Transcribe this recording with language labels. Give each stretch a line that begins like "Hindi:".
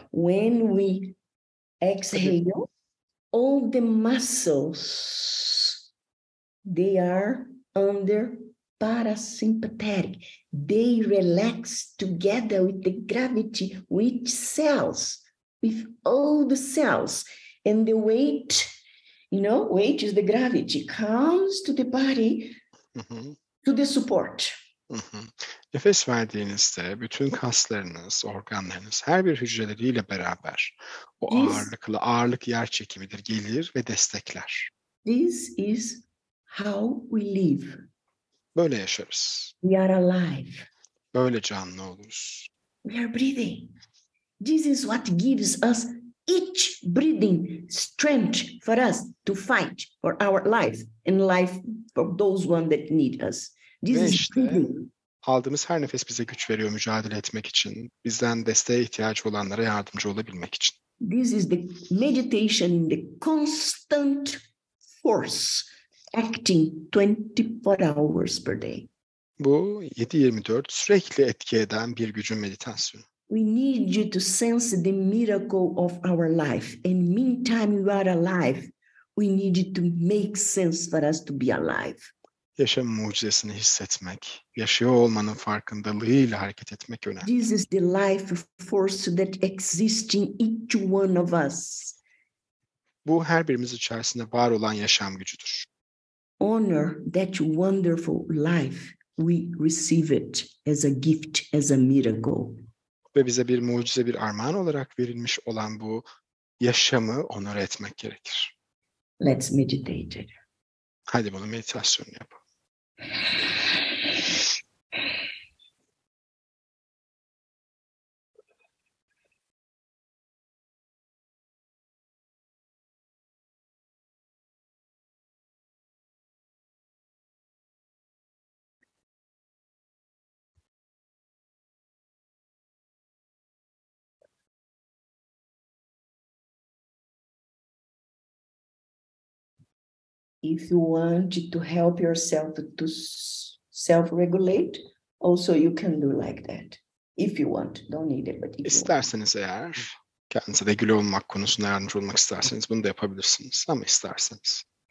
English: When we exhale, all the muscles, they are under parasympathetic. They relax together with the gravity, with cells, with all the cells. And the weight, you know, weight is the gravity, comes to the body, to the support.
Turkish: Nefes verdiğinizde bütün kaslarınız, organlarınız, her bir hücreleriyle beraber o ağırlıklı, ağırlık yer çekimidir, gelir ve destekler.
English: This is how we live.
Turkish: Böyle yaşarız.
English: We are alive.
Turkish: Böyle canlı oluruz.
English: We are breathing. This is what gives us each breathing strength for us to fight for our life and life for those one that need us.
Turkish: Ve işte aldığımız her nefes bize güç veriyor mücadele etmek için, bizden desteğe ihtiyacı olanlara yardımcı olabilmek için.
English: This is the meditation, the constant force acting 24 hours per day.
Turkish: Bu 7/24 sürekli etki eden bir gücün meditasyonu.
English: We need you to sense the miracle of our life. And meantime you are alive, we need you to make sense for us to be alive.
Turkish: yaşam mucizesini hissetmek, yaşıyor olmanın farkındalığıyla hareket etmek önemli.
English: This is the life force that exists in each one of us.
Turkish: Bu her birimiz içerisinde var olan yaşam gücüdür.
English: Honor that wonderful life. We receive it as a gift, as a miracle.
Turkish: Ve bize bir mucize, bir armağan olarak verilmiş olan bu yaşamı onur etmek gerekir.
English: Let's meditate.
Turkish: Hadi bunu meditasyonu yapalım.
English: If you want to help yourself to self-regulate, also you can do like that. If you want, don't need it, but if
Turkish: isterseniz
English: you want.
Turkish: Eğer kendinize regüle olmak konusunda yardımcı olmak isterseniz bunu da yapabilirsiniz ama isterseniz.